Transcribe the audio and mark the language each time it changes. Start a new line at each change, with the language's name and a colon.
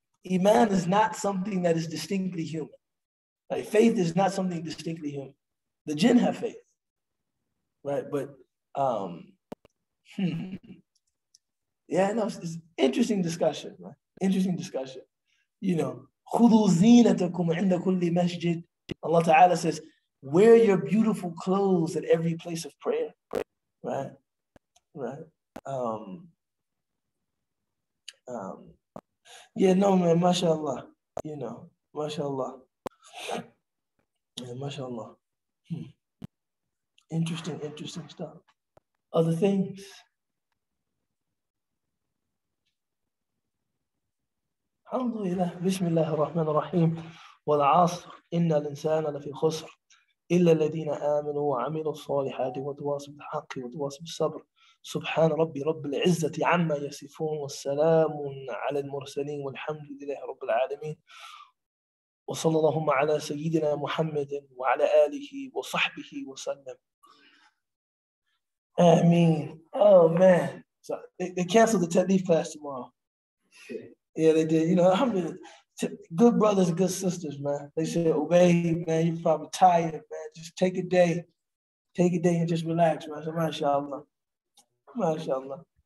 English: Iman is not something that is distinctly human. Like, faith is not something distinctly human. The jinn have faith, right? But, yeah, no, it's interesting discussion, right? Interesting discussion. You know,
Arabic: خُذُوا زِينَتَكُمْ عِنْدَ كُلِّ مَسْجِدٍ.
English: Allah Ta'ala says, wear your beautiful clothes at every place of prayer, right? Right. Yeah, no, man, mashallah. You know, mashallah. Yeah, mashallah. Interesting, interesting stuff. Other things?
Arabic: Alhamdulillah, Bismillah ar-Rahman ar-Rahim. Wal-Asr, inna al-insana lafi khusr. إلا الذين آمنوا وعملوا الصالحات وتواصوا بالحق وتواصوا بالصبر سبحان ربي رب العزة عما يصفون والسلام على المرسلين والحمد لله رب العالمين وصلى اللهم على سيدنا محمد وعلى آله وصحبه وسلم آمين.
English: Oh man, so they canceled the Tadif class tomorrow. Yeah, they did. You know, alhamdulillah. Good brothers, good sisters, man. They said, obey, man, you're probably tired, man. Just take a day. Take a day and just relax, man. So, mashallah. Mashallah.